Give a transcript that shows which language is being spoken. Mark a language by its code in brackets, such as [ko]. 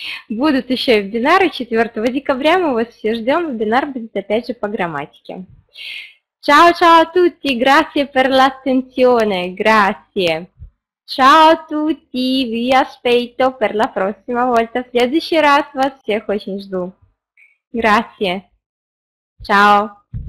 [ru] Будут еще вебинары 4 декабря. Мы вас все ждем. Вебинар будет опять же по грамматике. [it] Ciao, ciao a tutti. Grazie per l'attenzione. Grazie. Ciao a tutti, vi aspetto per la prossima volta. [ru] В следующий раз вас всех очень жду. [it] Grazie. Ciao.